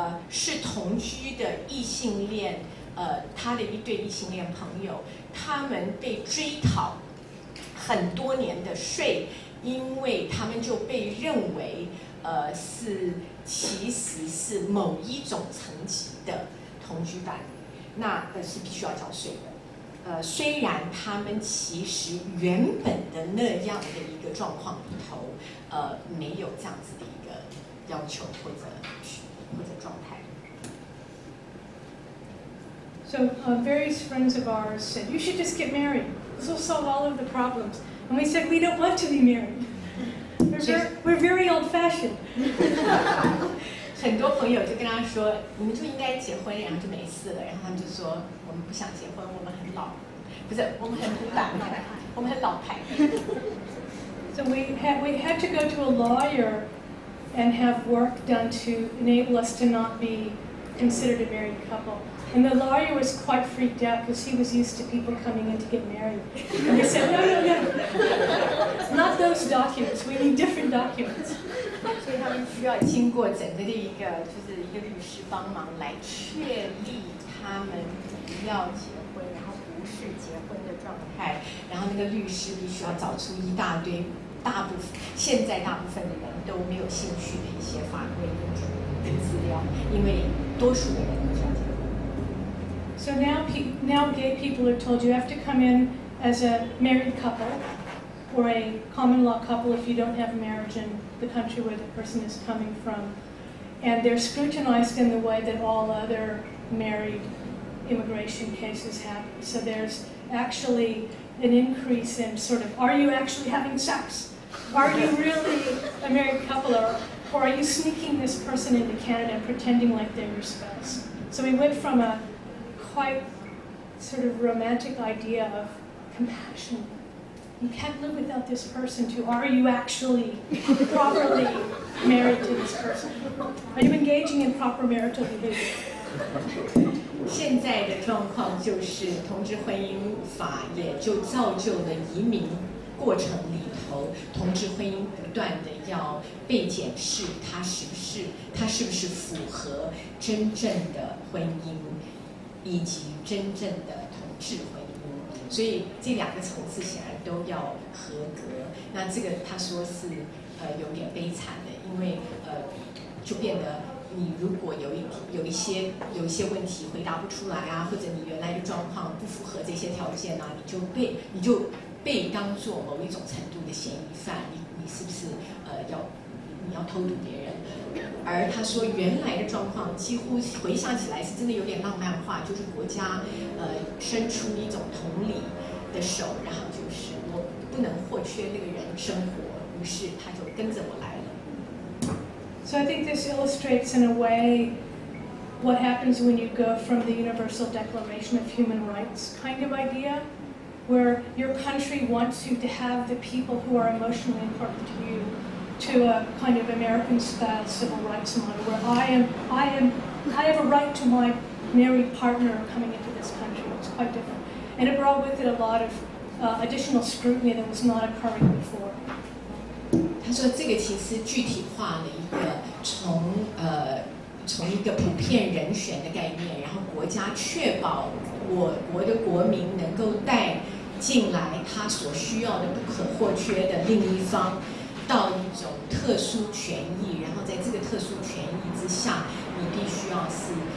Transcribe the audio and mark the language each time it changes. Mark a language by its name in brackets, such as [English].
[Chinese] 是同居的异性恋他的一对异性恋朋友，他们被追讨很多年的税，因为他们就被认为是其实是某一种层级的同居伴侣，那是必须要缴税的。虽然他们其实原本的那样的一个状况里头，没有这样子的一个要求或者状态。 [English] So, various friends of ours said, "You should just get married. This will solve all of the problems." And we said, "We don't want to be married." We're very old-fashioned. [Chinese] 很多朋友就跟他说，你们就应该结婚，然后就没事了。然后他们就说，我们不想结婚，我们很老，不是，我们很古板，我们很老派。 [English] So we had to go to a lawyer and have work done to enable us to not be considered a married couple. And the lawyer was quite freaked out because he was used to people coming in to get married. And he said, no. Not those documents. We need different documents. [Chinese] 所以他们需要经过整个的一个就是一个律师帮忙来确立他们不要结婚然后不是结婚的状态，然后那个律师必须要找出一大堆大部分现在大部分的人都没有兴趣的一些法规的资料，因为多数的人都想结婚。 [English] So now gay people are told you have to come in as a married couple or a common law couple if you don't have marriage in the country where the person is coming from, and they're scrutinized in the way that all other married immigration cases have. So there's actually an increase in sort of, are you actually having sex? Are you really a married couple? Or are you sneaking this person into Canada and pretending like they're your spouse? So we went from a quite sort of romantic idea of compassion. You can't live without this person, to are you actually properly married to this person? Are you engaging in proper marital behavior? [Chinese] 现在的状况就是同志婚姻法也就造就了移民过程里头同志婚姻不断的要被检视它是不是符合真正的婚姻以及真正的同志婚姻，所以这两个层次显然都要合格。那这个他说是有点悲惨的，因为就变得你如果有一些问题回答不出来啊，或者你原来的状况不符合这些条件啊，你就被当作某一种程度的嫌疑犯，你是不是要偷渡别人？而他说原来的状况几乎回想起来是真的有点浪漫化，就是国家伸出一种同理的手，然后就是我不能或缺那个人生活，于是他就跟着我来了。 [English] So I think this illustrates in a way what happens when you go from the Universal Declaration of Human Rights kind of idea, where your country wants you to have the people who are emotionally important to you, to a kind of American-style civil rights model, where I have a right to my married partner coming into this country. It's quite different. And it brought with it a lot of additional scrutiny that was not occurring before. [Chinese] 他说这个其实具体化了一个从一个普遍人选的概念，然后国家确保我国的国民能够带进来他所需要的不可或缺的另一方，到一种特殊权益，然后在这个特殊权益之下你必须要是